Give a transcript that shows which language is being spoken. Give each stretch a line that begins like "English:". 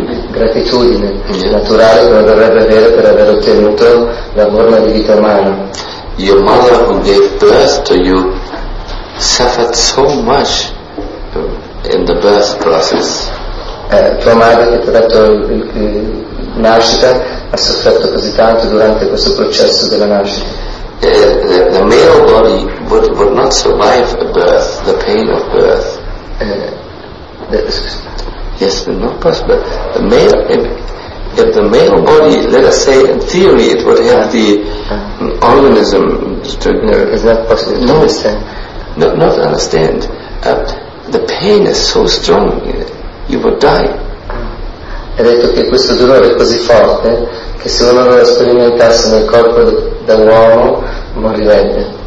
Italian: Gratitudine naturale che dovrebbe avere per aver ottenuto la forma di vita umana.
English: Your mother who gave birth to you suffered so much in the birth process.
Italian: Tua madre che ti ha dato nascita ha sofferto così tanto durante questo processo della nascita.
English: The male body would not survive a birth, the pain of birth. If the male body, let us say in theory, it would have the organism to... Is that possible? No, understand. Not understand. The pain is so strong, you would die.
Italian: Ha detto che questo dolore è così forte che se uno lo sperimentasse nel corpo dell'uomo morirebbe.